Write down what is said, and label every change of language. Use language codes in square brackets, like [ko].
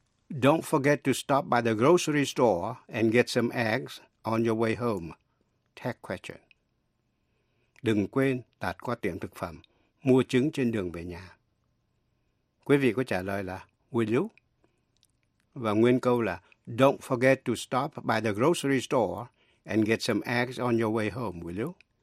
[en] Don't forget to stop by the grocery store and get some eggs on your way home. Tag question. [vi] Đừng quên tạt qua tiệm thực phẩm, mua trứng trên đường về nhà. Quý vị có trả lời là [en] will you? [vi] Và nguyên câu là [en] don't forget to stop by the grocery store and get some eggs on your way home, will you?